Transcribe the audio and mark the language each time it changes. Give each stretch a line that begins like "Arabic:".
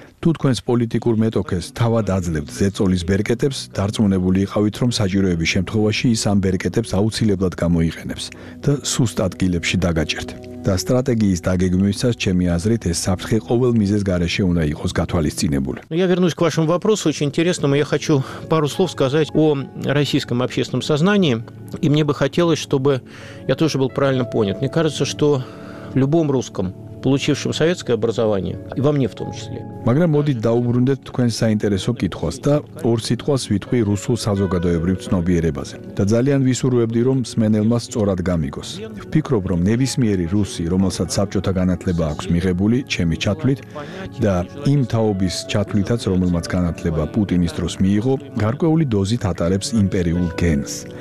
Georgian: თუ თქვენს პოლიტიკურ მეტოქეს თავად აძლევთ ზეწოლის ბერკეტებს, დარწმუნებული იყავით, რომ საჭიროების შემთხვევაში ის ამ ბერკეტებს აუცილებლად გამოიყენებს და სუსტ ადგილებში დაგაჭერთ. და სტრატეგიის დაგეგმვისას, ჩემი აზრით, ეს საფრთხე ყოველ მიზეზ გარეშე უნდა იყოს გათვალისწინებული.
Russian: Я вернусь к вашему вопросу, очень интересному. Я хочу пару слов сказать о российском общественном сознании, и мне бы хотелось, чтобы я тоже был правильно понят. Мне кажется, что в любом русском, получившем советское образование, и во мне в том числе.
Georgian: Маграм модит даубрундет თქვენ საინტერესო კითხვას და ორ სიტყვას ვიტყვი რუსულ საზოგადოებრივ ცნობიერებაზე. Да ძალიან ვისურვებდი, რომ სმენელმა სწორად გამიგოს. Ვფიქრობ, რომ ნებისმიერი რუსი, რომელსაც საბჭოთა განათლება აქვს მიღებული, ჩემი ჩათვლით და იმ თაობის ჩათვლითაც, რომელმაც განათლება პუტინის დროს მიიღო, გარკვეული დოზით ატარებს იმპერიულ გენს.